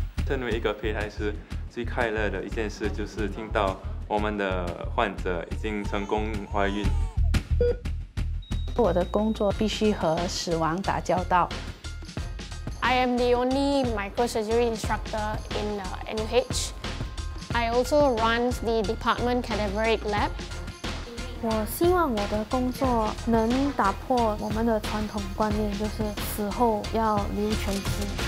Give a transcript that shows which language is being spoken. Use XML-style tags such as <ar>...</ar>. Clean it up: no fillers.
<zh>身为一个胚胎师，最快乐的一件事就是听到我们的患者已经成功怀孕。我的工作必须和死亡打交道。</zh> <en>I am the only microsurgery instructor in NUH. I also run the department cadaveric lab.</en> <zh>我希望我的工作能打破我们的传统观念，就是死后要留全尸。</zh>